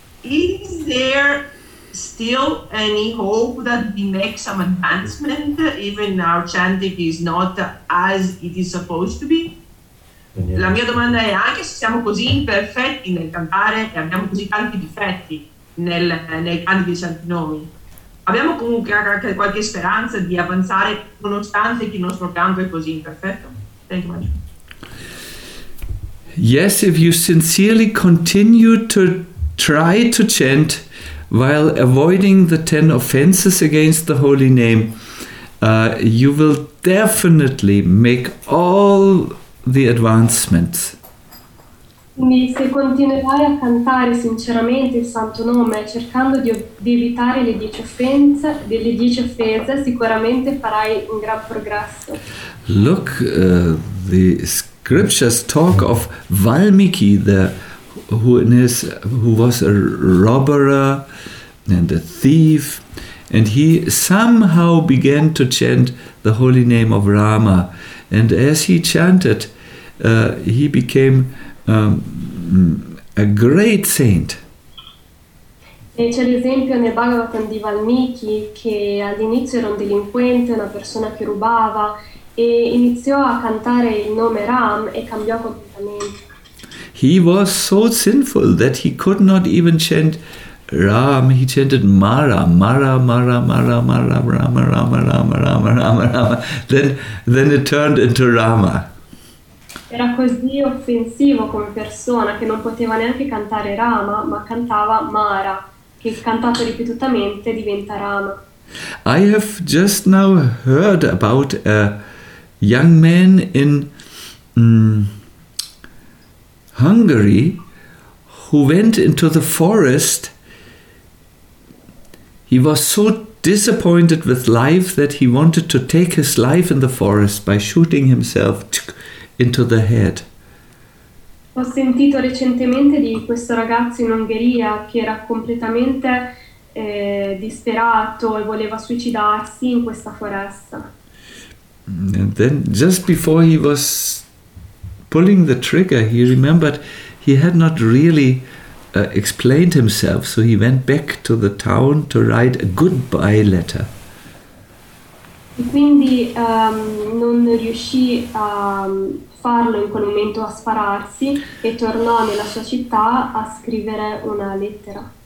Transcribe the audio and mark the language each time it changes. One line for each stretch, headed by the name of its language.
English: is there still any hope that we make some advancement, even our chanting is not as it is supposed to be?
Italian: La mia domanda è, anche se siamo così imperfetti nel cantare e abbiamo così tanti difetti nei canti dei santi nomi, abbiamo comunque anche qualche speranza di avanzare nonostante che il nostro canto è così imperfetto?
English: Thank you, Maggio. Yes, if you sincerely continue to try to chant while avoiding the 10 offenses against the Holy Name, you will definitely make all the advancements.
Italian: Quindi se continuerai a cantare sinceramente il Santo Nome cercando di evitare le 10 offense, delle 10 offese, sicuramente farai un gran progresso.
English: Look, the scriptures talk of Valmiki, who was a robber and a thief, and he somehow began to chant the holy name of Rama, and as he chanted, he became a great saint.
Italian: E c'è l'esempio nel Bhagavatam di Valmiki, che all'inizio era un delinquente, una persona che rubava, e iniziò a cantare il nome Ram e cambiò completamente.
English: He was so sinful that he could not even chant Ram. He chanted Mara, Mara, Mara, Mara, Mara, Rama, Rama, Rama, Rama, Rama, Rama. Then it turned into Rama.
Italian: Era così offensivo come persona che non poteva neanche cantare Rama, ma cantava Mara, che cantato ripetutamente diventa Rama.
English: I have just now heard about a young man in Hungary who went into the forest. He was so disappointed with life that he wanted to take his life in the forest by shooting himself into the head.
Italian: Ho sentito recentemente di questo ragazzo in Ungheria che era completamente disperato e voleva suicidarsi in questa foresta.
English: And then just before he was pulling the trigger, he remembered he had not really explained himself, so he went back to the town to write a goodbye letter.
Italian: E quindi non riuscì a farlo in quel momento, a spararsi, e tornò nella sua città a scrivere una lettera.